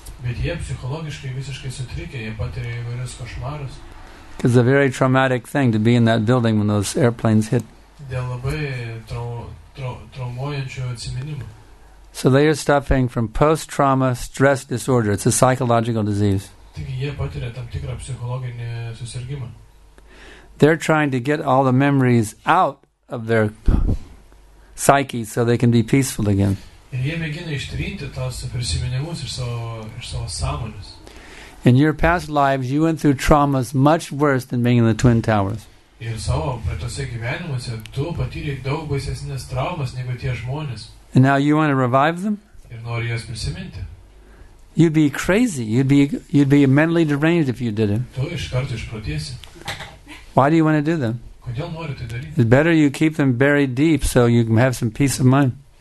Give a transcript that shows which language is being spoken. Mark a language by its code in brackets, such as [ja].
[lt] Bet jie psichologiškai visiškai sutrikę, jie patiria įvairius košmarus. [en] It's a very traumatic thing to be in that building when those airplanes hit. [lt] Dėl labai traumuojančių atsiminimų. [en] So they are suffering from post-trauma stress disorder. It's a psychological disease. [lt] Taigi jie patiria tam tikrą psichologinį susirgimą. [en] They're trying to get all the memories out of their psyche so they can be peaceful again. [lt] Ir jie mėgina ištrinti tos prisiminimus iš savo sąmonės. [en] In your past lives, you went through traumas much worse than being in the Twin Towers. [lt] Ir savo praeituose gyvenimuose, tu patyrė daug baisesnės traumas negu tie žmonės. [en] And now you want to revive them? [lt] Ir nori juos prisiminti. [en] You'd be crazy. You'd be mentally deranged if you did it. [lt] Tu iš karto išprotėsi. [en] Why do you want to do them? [lt] Kodėl nori tai daryti? [en] It's better you keep them buried deep so you can have some peace of mind.